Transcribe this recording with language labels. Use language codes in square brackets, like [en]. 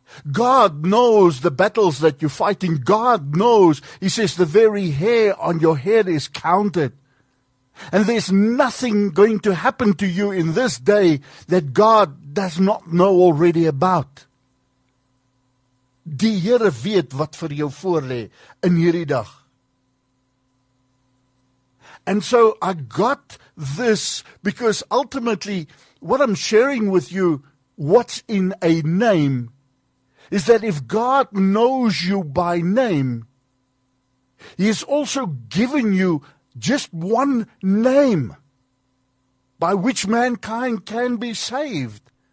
[en] God knows the battles that you're fighting. God knows, He says, the very hair on your head is counted. And there's nothing going to happen to you in this day that God does not know already about. [af] Die Here weet wat vir jou voorlê in hierdie dag. [en] And so I got this because ultimately what I'm sharing with you, what's in a name, is that if God knows you by name, He has also given you just one name by which mankind can be saved.